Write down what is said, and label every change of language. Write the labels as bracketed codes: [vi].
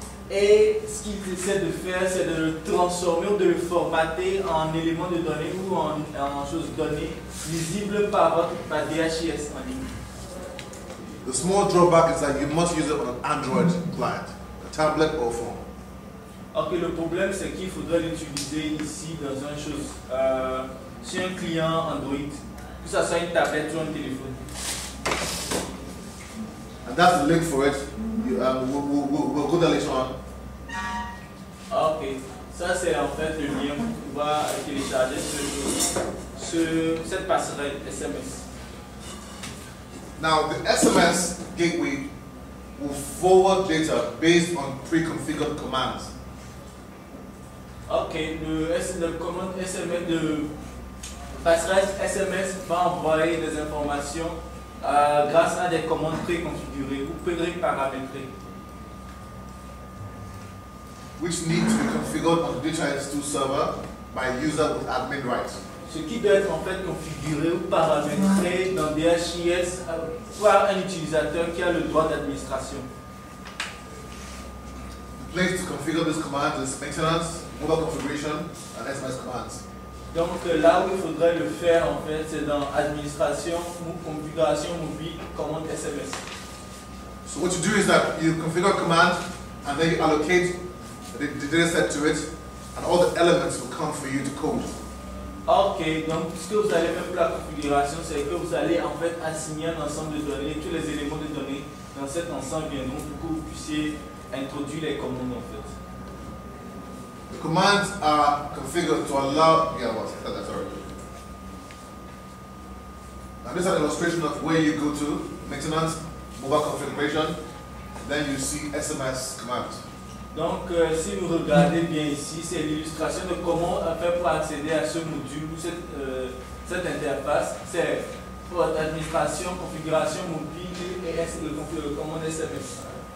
[fr] Et ce qu'il essaie de faire, c'est de le transformer ou de le formater en éléments de données ou en choses données lisibles par DHIS en ligne. [en] The small drawback is that you must use it on an Android client, a tablet or phone. [fr] Ok, le problème c'est qu'il faudra l'utiliser ici dans une chose, sur un client Android, que ce soit une tablette ou un téléphone. [en] And that's the link for it. We'll go there later on. [fr] Ok, ça c'est en fait le lien pour pouvoir télécharger cette passerelle SMS. [en] Now, the SMS gateway will forward data based on pre-configured commands. [fr] Ok, le commande SMS de passerelle SMS va envoyer des informations grâce à des commandes préconfigurées ou pré-paramétrées. [en] Which need to be configured on the DHIS2 server by user with admin rights. [fr] Ce qui doit être en fait configuré ou paramétré dans DHIS par un utilisateur qui a le droit d'administration. [en] The place to configure this command is maintenance, mobile configuration and SMS commands. [fr] Donc là où il faudrait le faire en fait, c'est dans administration ou configuration mobile commande SMS. [en] So what you do is that you configure a command and then you allocate the data set to it and all the elements will come for you to code. [fr] Ok, donc ce que vous allez faire pour la configuration, c'est que vous allez en fait assigner un ensemble de données, tous les éléments de données dans cet ensemble viendront pour que vous puissiez introduire les commandes en fait. [en] The commands are configured to allow. Yeah, what? That's already. Now, this is an illustration of where you go to maintenance, mobile configuration, then you see SMS command. [fr] Donc, si vous regardez bien ici, c'est l'illustration de comment faire pour accéder à ce module, cette interface. C'est pour administration, configuration mobile et le commande SMS.